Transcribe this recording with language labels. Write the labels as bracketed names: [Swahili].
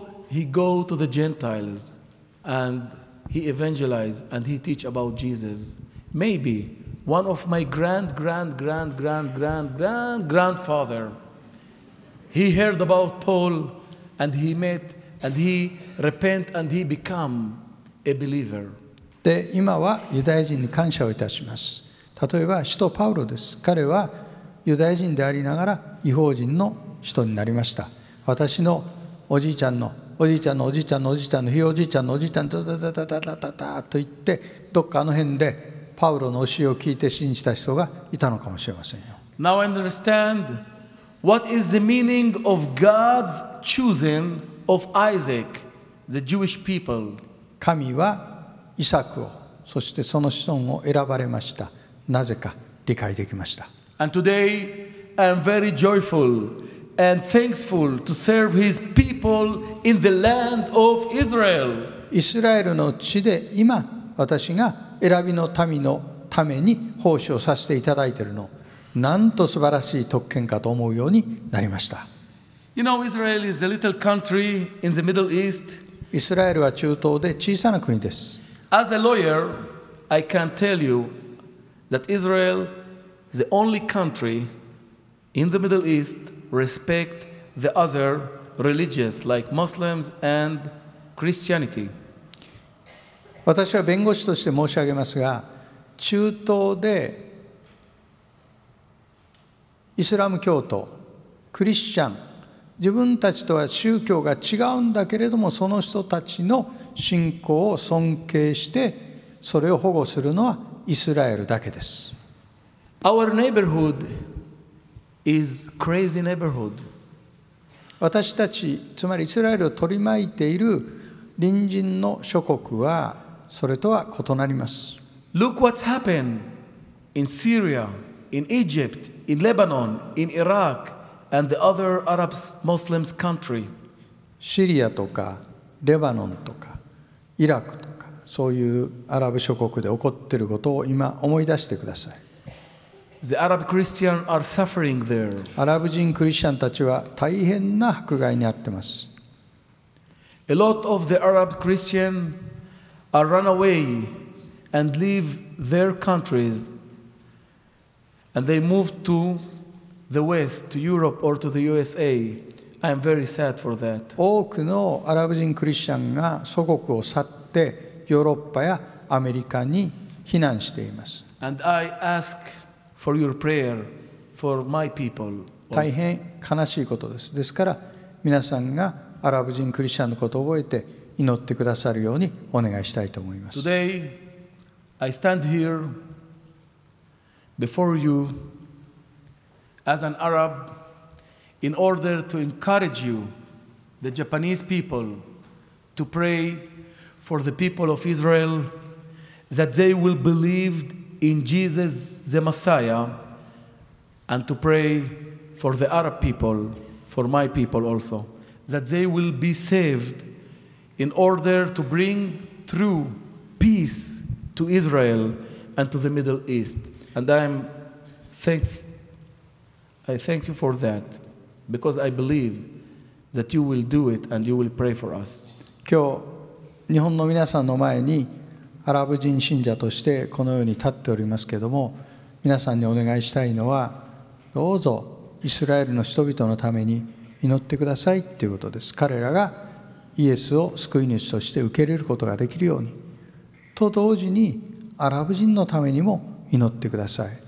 [English] He go to the Gentiles and he evangelize and he teach about Jesus. Maybe one of my grandfather, he heard about Paul and he met. And he repent and he become a believer. [Japanese] で今はユダヤ人に感謝をいたします。例えば使徒パウロです。彼はユダヤ人でありながら異邦人の人になりました。私のおじいちゃんのおじいちゃんのおじいちゃんのおじいちゃんのひいおじいちゃんのおじいちゃんとだだだだだだだと言ってどっかあの辺でパウロの教えを聞いて信じた人がいたのかもしれませんよ。 [English] Now I understand what is the meaning of God's choosing. Of Isaac, the Jewish people. [Japanese] 神はイサクをそしてその子孫を選ばれました。なぜか理解できました。 [English] And today I'm very joyful and thankful to serve his people in the land of Israel. [Japanese] イスラエルの地で今私が選びの民のために奉仕をさせていただいているの、なんと素晴らしい特権かと思うようになりました。 [English] You know, Israel is a little country in the Middle East. [Japanese] イスラエルは中東で小さな国です。 [English] As a lawyer, I can tell you that Israel is the only country in the Middle East respect the other religions like Muslims and Christianity. [Japanese] 私は弁護士として申し上げますが、中東でイスラム教徒、クリスチャン、自分たちとは宗教が違うんだけれども、その人たちの信仰を尊敬してそれを保護するのはイスラエルだけです。 [English] Our neighborhood is crazy neighborhood. [Japanese] 私たち、つまりイスラエルを取り巻いている隣人の諸国はそれとは異なります。 [English] Look what's happened in Syria, in Egypt, in Lebanon, in Iraq. And the other Arab Muslims country. [Japanese] シリアとかレバノンとかイラクとかそういうアラブ諸国で起こっていることを今思い出してください。 [English] The Arab Christian are suffering there. [Japanese] アラブ人クリスチャンたちは大変な迫害に遭ってます。 [English] A lot of the Arab Christian are run away and leave their countries and they move to the West, to Europe or to the USA. I am very sad for that. [Japanese] 多くのアラブ人クリスチャンが祖国を去ってヨーロッパやアメリカに避難しています。 [English] And I ask for your prayer for my people. [Japanese] 大変悲しいことです。ですから皆さんがアラブ人クリスチャンのことを覚えて祈ってくださるようにお願いしたいと思います。 [English] Today, I stand here before you as an Arab in order to encourage you, the Japanese people, to pray for the people of Israel. That they will believe in Jesus the Messiah and to pray for the Arab people, for my people also, that they will be saved in order to bring true peace to Israel and to the Middle East. And I thank you for that because I believe that you will do it and you will pray for us. [Japanese] 今日、日本の皆さんの前にアラブ人信者としてこのように立っておりますけれども、皆さんにお願いしたいのは、どうぞイスラエルの人々のために祈ってくださいということです。彼らがイエスを救い主として受け入れることができるようにと同時に、アラブ人のためにも祈ってください。